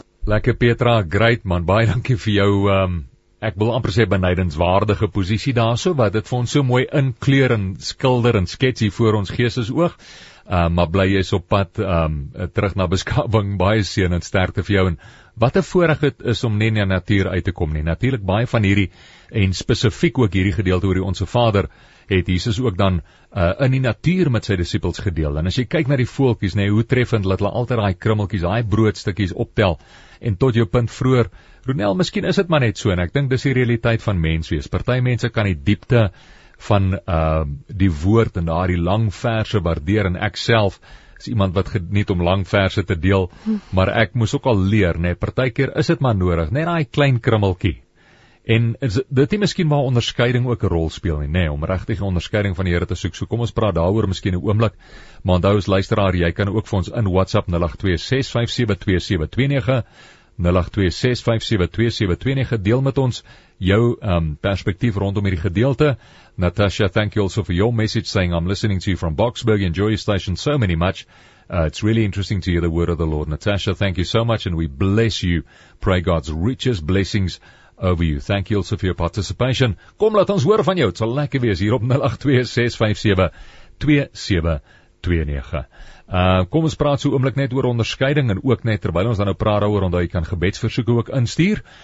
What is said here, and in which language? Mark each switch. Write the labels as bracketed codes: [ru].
[af] Lekker Petra, great man, baie dankie vir jou, ek wil amper sê benijdenswaardige posisie daar so, wat het vir ons so mooi inkleur en skilder en sketsie voor ons geestes oog, maar bly jy so pad terug na beskawing, baie seën en sterkte vir jou, en wat 'n voorreg het is om nie na natuur uit te kom nie, natuurlik baie van hierdie, en spesifiek ook hierdie gedeelte oor die Onse Vader, het Jesus ook dan in die natuur met sy disippels gedeel. En as jy kyk na die voeltjies, nee, hoe treffend dat hulle altyd daai krummeltjies, daai broodstukkies optel, en tot jou punt vroeër, Ronel, miskien is dit maar net so, en ek dink dis die realiteit van mens wees. Party mense kan die diepte van die woord en daar die lang verse waardeer en ek self is iemand wat geniet om lang verse te deel, maar ek moes ook al leer, nee, partykeer is het maar nodig, nee, daai klein krummelkie. En is, dit is miskien waar onderskeiding ook een rol speel nie, nee, om regtig onderskeiding van die Here te soek, so kom ons praat daaroor miskien 'n oomblik, maar onthou as luisteraar, jy kan ook vir ons in WhatsApp 0826572729, 0826572729, deel met ons jou perspektief rondom hierdie gedeelte. [en] Natasha, thank you also for your message saying, I'm listening to you from Boksburg, enjoy your station so many much. It's really interesting to hear the word of the Lord. Natasha, thank you so much and we bless you. Pray God's richest blessings over you. Thank you also for your participation. [af] Kom, laat ons hoor van jou. Het sal lekker wees hier op 0826572729. Kom ons praat so oomblik net oor onderskeiding en ook net terwyl ons dan nou praat daaroor, onthou jy kan gebedsversoeke ook instuur.